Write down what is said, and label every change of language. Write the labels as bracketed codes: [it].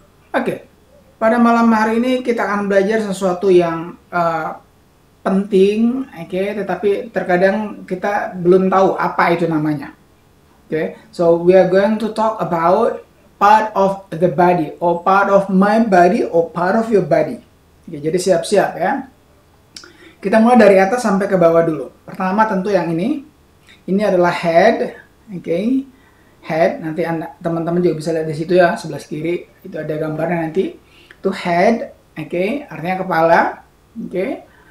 [id] Oke, pada malam hari ini kita akan belajar sesuatu yang penting, okay, tetapi terkadang kita belum tahu apa itu namanya. [en] Okay, so we are going to talk about part of the body, or part of my body, or part of your body. [id] Okay, jadi siap-siap ya. Kita mulai dari atas sampai ke bawah dulu. Pertama tentu yang ini. Ini adalah head, okay. Head, nanti teman-teman juga bisa lihat di situ ya, sebelah kiri itu ada gambarnya nanti. Itu head, okay, artinya kepala, okay.